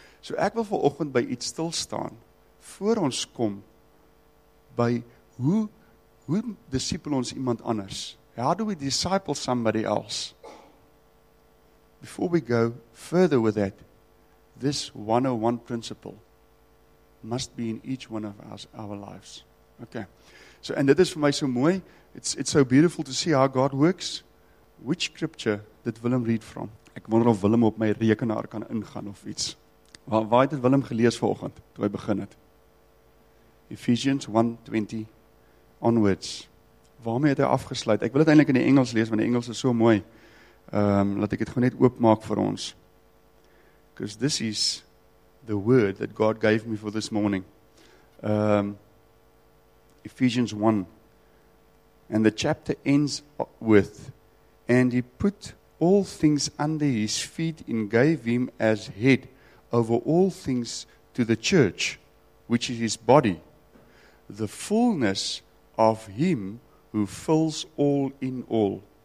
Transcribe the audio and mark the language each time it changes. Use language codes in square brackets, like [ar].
[af] So ek wil vanoggend by iets stilstaan, voor ons kom, by hoe disciple ons iemand anders? [en] How do we disciple somebody else? Before we go further with that, this 101 principle must be in each one of our lives. Okay. So, and [af] dit is vir my so mooi. [en] It's so beautiful to see how God works. Which scripture did Willem read from? [af] Ek wonder of Willem op my rekenaar kan ingaan of iets. Waar het Willem gelees vanoggend toe hy begin het? [en] Ephesians 1:20 onwards. [af] Waarmee het hy afgesluit? Ek wil dit eintlik in die Engels lees, want die Engels is so mooi. Laat ek het gewoon net oopmaak vir ons. [en] Because this is the word that God gave me for this morning. Ephesians 1. And the chapter ends with, and He put all things under His feet and gave Him as head over all things to the church, which is His body, the fullness of Him who fills all in all.